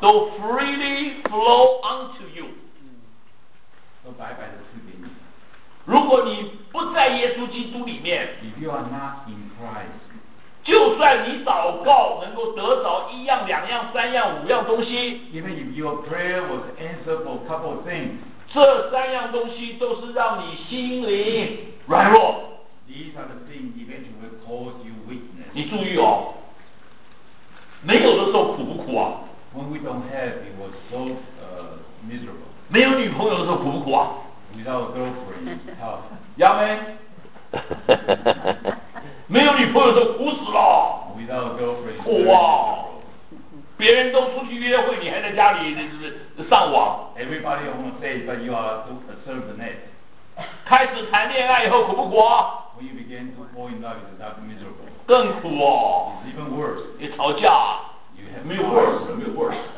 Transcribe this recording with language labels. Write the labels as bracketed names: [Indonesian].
[English] So freely flow unto you. [Chinese] So 白白的赐给你。如果你不在耶稣基督里面 [English] ，If you are not in Christ， [Chinese] 就算你祷告能够得着一样、两样、三样、五样东西 [English] ，Even if your prayer was answered for a couple of things， [Chinese] 这三样东西都是让你心灵软弱。 [English] These are the things eventually will cause you weakness. [Chinese] 你注意哦，没有的时候苦不苦啊？ [English] When we don't have, it was so miserable. [Chinese] 没有女朋友的时候苦不苦啊 [English] ？Without a girlfriend, it's tough. Young man. [Chinese] 没有女朋友的时候苦死了。 [English] Without a girlfriend. [Chinese] 苦啊！别人都出去约会，你还在家里上网。 [English] Everybody on the stage, but you are surfing the net. [Chinese] 开始谈恋爱以后苦不苦啊 [English] ？When you begin to fall in love, it's not miserable. [Chinese] 更苦哦。 [English] It's even worse. [Chinese] 你吵架。没有 words， 没有 words。